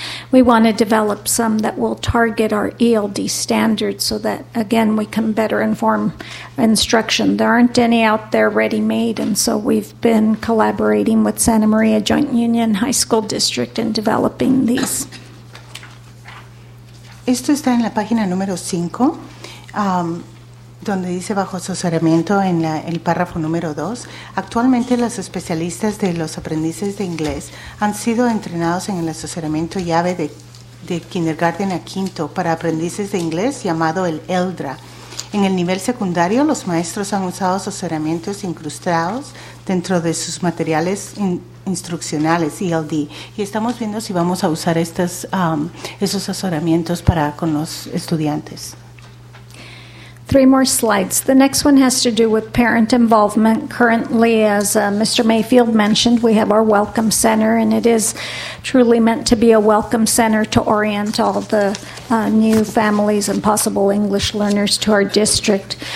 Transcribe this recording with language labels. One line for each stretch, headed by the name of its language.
English: We want to develop some that will target our ELD standards so that, again, we can better inform instruction. There aren't any out there ready-made, and so we've been collaborating with Santa Maria Joint Union High School District in developing these.
Spanish: Esto está en la página número 5, donde dice bajo asesoramiento en el párrafo número 2, actualmente los especialistas de los aprendices de inglés han sido entrenados en el asesoramiento llave de kindergarten a quinto para aprendices de inglés llamado el ELDRA. En el nivel secundario, los maestros han usado asesoramientos incrustados dentro de sus materiales instruccionales, ELD, y estamos viendo si vamos a usar estos, esos asesoramientos para con los estudiantes.
English: Three more slides. The next one has to do with parent involvement. Currently, as Mr. Mayfield mentioned, we have our welcome center, and it is truly meant to be a welcome center to orient all the new families and possible English learners to our district.